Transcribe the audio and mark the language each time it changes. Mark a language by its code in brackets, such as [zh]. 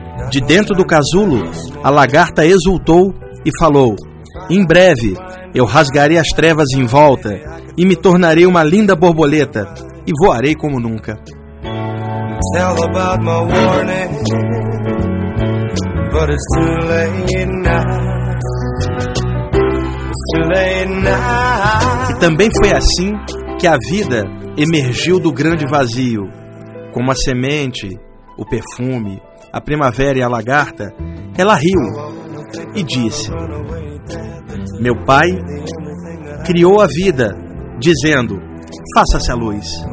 [pt] De dentro do casulo, a lagarta exultou e falou: em breve, eu rasgarei as trevas em volta e me tornarei uma linda borboleta e voarei como nunca. [en] Tell about my warning, but it's too late now. It's too late now. [pt] E também foi assim que a vida emergiu do grande vazio. Como a semente, o perfume, a primavera e a lagarta, ela riu e disse: meu pai criou a vida, dizendo: faça-se a luz.